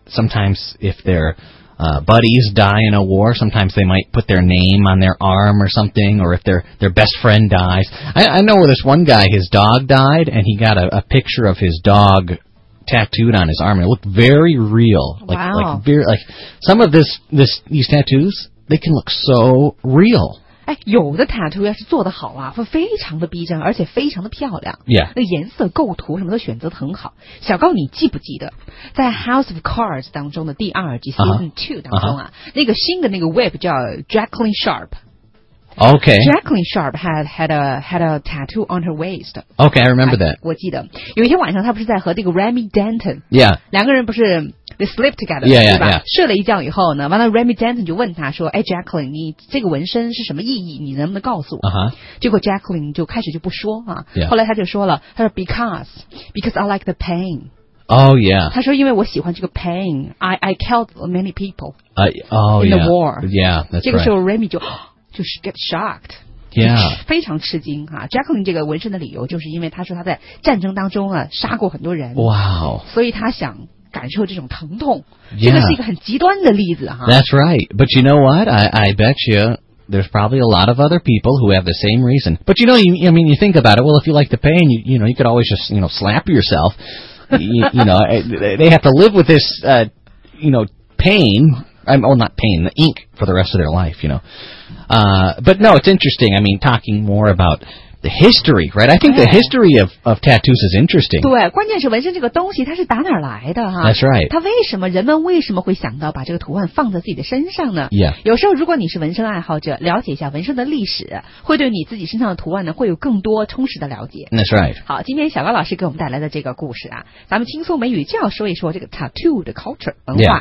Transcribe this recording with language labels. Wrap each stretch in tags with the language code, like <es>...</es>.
<en>Sometimes if their buddies die in a war, sometimes they might put their name on their arm or something, or if their best friend dies. I know this one guy, his dog died, and he got a picture of his dog tattooed on his arm. It looked very real. Like, wow. Like, very, like, some of these tattoos, they can look so real.</en> <zh>有的 tattoo 要是做得好啊，会非常的逼真，而且非常的漂亮。</zh> <en>Yeah.</en> <zh>那颜色、构图什么的选择很好。小高，你记不记得在 House of Cards 当中的第二季</zh> <en>Season 2</en> <zh>当中啊， uh-huh. 那个新的那个 whip 叫 Jacqueline Sharp。</zh> <en>Okay. Jacqueline Sharp had a tattoo on her waist. Okay, I remember that.</en> <zh>我记得有一天晚上，她不是在和这个 Remy Denton，</zh> <en>yeah，</en> <zh>两个人不是</zh> <en>they sleep together， yeah, yeah, yeah.</en> <zh>睡了一觉以后呢，完了 Remy Denton 就问她说，哎 ，Jacqueline， 你这个纹身是什么意义？你能不能告诉我？啊哈。结果 Jacqueline 就开始就不说啊，</zh> <en>yeah.</en> <zh>后来她就说了，她说</zh> <en>because I like the pain。 Oh yeah.</en> <zh>她说因为我喜欢这个 pain，</zh> <en>I killed many people. In the war. Yeah, that's right.</en> <zh>这个时候 Remy 就。就是</zh> <en>get shocked， yeah，</en> <zh>非常吃惊哈。Jacqueline 这个纹身的理由就是因为他说他在战争当中啊杀过很多人，哇、wow. ，所以他想感受这种疼痛。</zh> <en>Yeah.</en> <zh>这个是一个很极端的例子哈。</zh> <en>That's right. But you know what? I bet you there's probably a lot of other people who have the same reason. But you know, I mean, you think about it. Well, if you like the pain, you know, you could always just, you know, slap yourself. you know, they have to live with this, you know, pain. Not pain, the ink for the rest of their life, you know. But no, it's interesting. I mean, talking more about the history, right? I think the history of tattoos is interesting.</en> <zh>对，关键是纹身这个东西它是打哪来的哈。</zh> <en>That's right.</en> <zh>它为什么人们为什么会想到把这个图案放在自己的身上呢？</zh> <en>Yeah.</en> <zh>有时候如果你是纹身爱好者，了解一下纹身的历史，会对你自己身上的图案呢会有更多充实的了解。</zh> <en>That's right.</en> <zh>好，今天小高老师给我们带来的这个故事啊，咱们轻松美语就要说一说这个 tattoo 的 culture 文化。</zh>